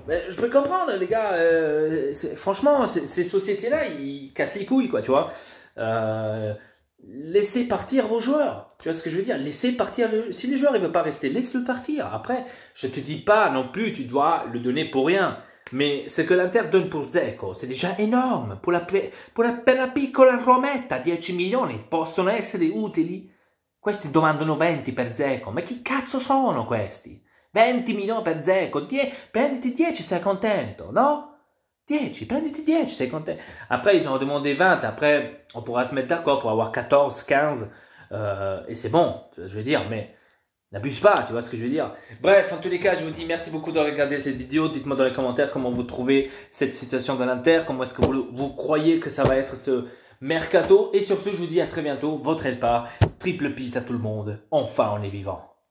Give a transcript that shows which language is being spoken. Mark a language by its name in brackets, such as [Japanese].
[French] Mais je peux comprendre, les gars. Franchement, ces sociétés-là, ils cassent les couilles, quoi, tu vois. Laissez partir vos joueurs. Tu vois ce que je veux dire? Laissez partir. Si les joueurs ne veulent pas rester, laisse-le partir. Après, je ne te dis pas non plus, tu dois le donner pour rien. Mais ce que l'Inter donne pour Dzeko, c'est déjà énorme. [Italian] Pour la piccola Rometta, 10 milioni possono essere utili. Questi domandano 20 per Dzeko. Ma chi cazzo sono questi? 20 milioni per Dzeko. Prenditi 10, sei contento, no? 10, prenditi 10, sei contento. [French] Après, ils ont demandé 20. Après, on pourra se mettre d'accord pour avoir 14, 15. Et c'est bon, je veux dire, mais n'abuse pas, tu vois ce que je veux dire. Bref, en tous les cas, je vous dis merci beaucoup de regarder cette vidéo. Dites-moi dans les commentaires comment vous trouvez cette situation de l'Inter, comment est-ce que vous croyez que ça va être ce mercato. Et sur ce, je vous dis à très bientôt. Votre Elpa, triple peace à tout le monde. Enfin, on est vivant.